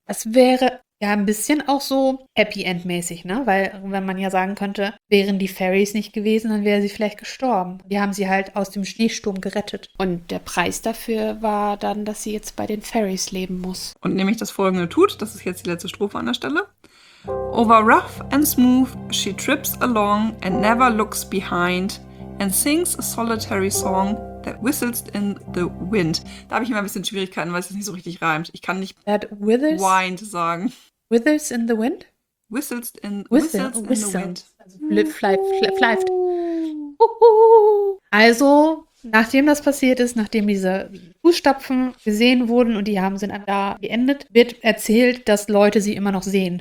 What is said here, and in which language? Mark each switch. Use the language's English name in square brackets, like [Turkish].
[German] Es wäre ja ein bisschen auch so Happy End-mäßig, ne? Weil, wenn man ja sagen könnte, wären die Fairies nicht gewesen, dann wäre sie vielleicht gestorben. Die haben sie halt aus dem Schneesturm gerettet. Und der Preis dafür war dann, dass sie jetzt bei den Fairies leben muss. Und nämlich das folgende tut, das ist jetzt die letzte Strophe an der Stelle. [English] Over rough and smooth, she trips along and never looks behind and sings a solitary song that whistles in the wind. [German] Da habe ich immer ein bisschen Schwierigkeiten, weil es nicht so richtig reimt. Ich kann nicht [English] That [German] wind sagen. [English] withers in the wind? Whistles in the Whistles. wind. [German] Also fleift. Also, nachdem das passiert ist, nachdem diese Fußstapfen gesehen wurden und die haben sind dann da geendet, wird erzählt, dass Leute sie immer noch sehen.